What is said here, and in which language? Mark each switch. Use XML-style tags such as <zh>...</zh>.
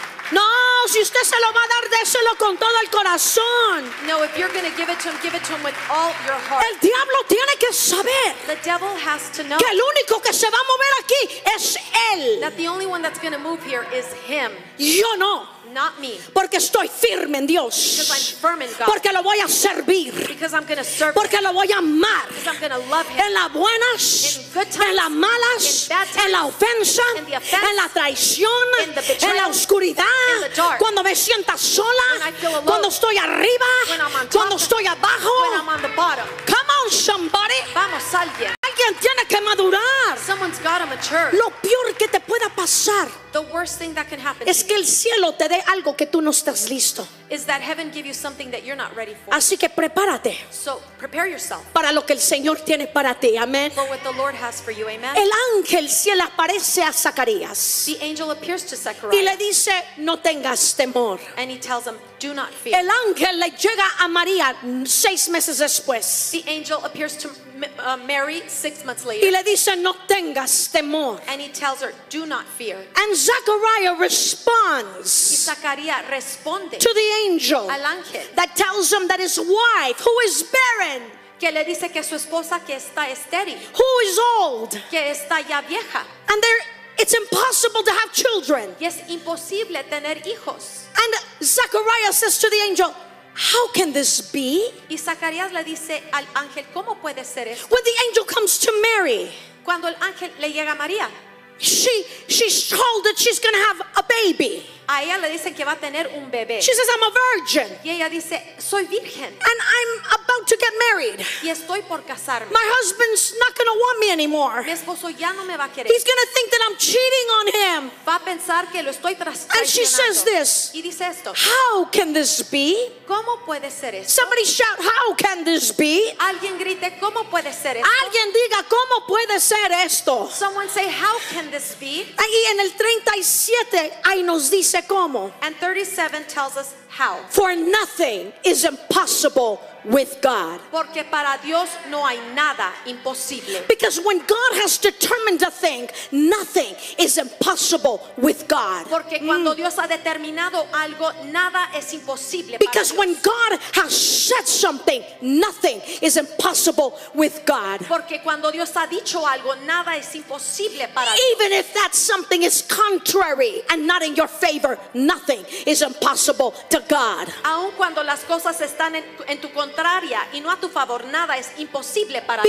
<es>No, si usted se lo va a dar, déselo con todo el corazón.</es> <en>No, if you're going to give it to him with all your heart.</en> <es>El diablo tiene que saber,</es> <en>the devil has to know,</en> <es>que el único que se va a mover aquí es él,</es> <en>that the only one that's going to move here is him.</en> <es>Yo no.</es> <en>Not me.</en> <es>Porque estoy firme en Dios.</es> <en>Because I'm firm in God.</en> <es>Porque lo voy a servir.</es> <en>Because I'm going to serve.</en> <es>Porque lo voy a amar.</es> <en>Because I'm going to love him.</en> <es>En las buenas,</es> <en>in good times,</en> <es>en las malas,</es> <en>in bad times,</en> <es>en la ofensa,</es> <en>in the offense,</en> <es>en la traición,</es> <en>in the betrayal,</en> <es>en la oscuridad,</es> <en>in the dark,</en> <es>cuando me sienta sola,</es> <en>when I feel alone,</en> <es>cuando estoy arriba,</es> <en>when I'm on top,</en> <es>cuando estoy abajo,</es> <en>when I'm on the bottom. Come on, somebody.</en> <es>Vamos, alguien. Alguien tiene que madurar.</es> <en>Someone's got to mature.</en> <es>Lo peor que te pueda pasar,</es> <en>the worst thing that can happen,</en> <es>es que el cielo te dé algo que tú no estás listo,</es> <en>is that heaven give you something that you're not ready for.</en> <es>Así que prepárate.</es> <en>So prepare yourself.</en> <es>Para lo que el Señor tiene para ti, amén.</es> <en>For what the Lord has for you, amen.</en> <es>El ángel se le aparece a Zacarías.</es> <en>The angel appears to Zechariah.</en> <es>Y le dice, no tengas temor.</es> <en>And he tells him, do not fear.</en> <es>El ángel le llega a María 6 meses después.</es> <en>The angel appears to Mary 6 months later.</en> <es>Y le dice, no tengas temor.</es> <en>And he tells her, do not fear. And Zechariah responds.</en> <es>Y Zacarías responde.</es> <en>To the angel.</en> <es>Al ángel.</es> <en>That tells him that his wife, who is barren,</en> <es>que le dice que su esposa que está estéril,</es> <en>who is old,</en> <es>que está ya vieja.</es> <en>And there, it's impossible to have children.</en> <es>Y es imposible tener hijos.</es> <en>And Zechariah says to the angel, how can this be?</en> <es>Y Zacarías le dice al ángel, ¿cómo puede ser esto?</es> <en>When the angel comes to Mary,</en> <es>cuando el ángel le llega a María,</es> <en>she's told that she's going to have a baby.</en> <es>A ella le dicen que va a tener un bebé.</es> <en>She says, I'm a virgin.</en> <es>Y ella dice, soy virgen.</es> <en>And I'm about to get married.</en> <es>Y estoy por casarme.</es> <en>My husband's not going to want me anymore.</en> <es>Mi esposo ya no me va a querer.</es> <en>He's going to think that I'm cheating on him.</en> <es>Va a pensar que lo estoy traicionando.</es> <en>And she says this.</en> <es>Y dice esto.</es> <en>How can this be?</en> <es>¿Cómo puede ser esto?</es> <en>Somebody shout, how can this be?</en> <es>Alguien grite, ¿cómo puede ser esto? Alguien diga, ¿cómo puede ser esto?</es> <en>Someone say, how can this be?</en> <es>Ahí en el 37, ahí nos dice,</es> <en>and 37 tells us how. For nothing is impossible with God.</en> <es>Porque para Dios no hay nada imposible.</es> <en>Because when God has determined a thing, nothing is impossible with God.</en> <es>Porque cuando Dios ha determinado algo, nada es imposible.</es> <en>Because when God has said something, nothing is impossible with God.</en> <es>Porque cuando Dios ha dicho algo, nada es imposible para Dios.</es> <en>Even if that something is contrary and not in your favor, nothing is impossible to God.</en> <es>Aun cuando las cosas están en tu contraria y no a tu favor, nada es imposible para ti.</es>